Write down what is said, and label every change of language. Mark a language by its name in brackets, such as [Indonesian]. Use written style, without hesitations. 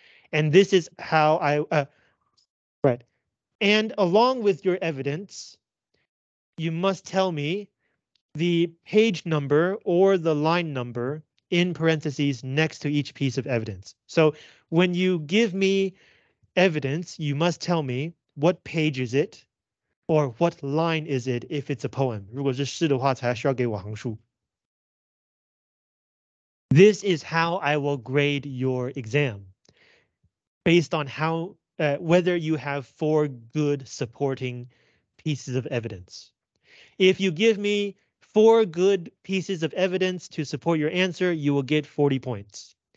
[English] And this is how I, right. And along with your evidence, you must tell me the page number or the line number in parentheses next to each piece of evidence. So when you give me evidence, you must tell me what page is it or what line is it if it's a poem. [Chinese] 如果是诗的话，才需要给我行书。 [English] This is how I will grade your exam based on how whether you have 4 good supporting pieces of evidence. If you give me 4 good pieces of evidence to support your answer, you will get 40 points.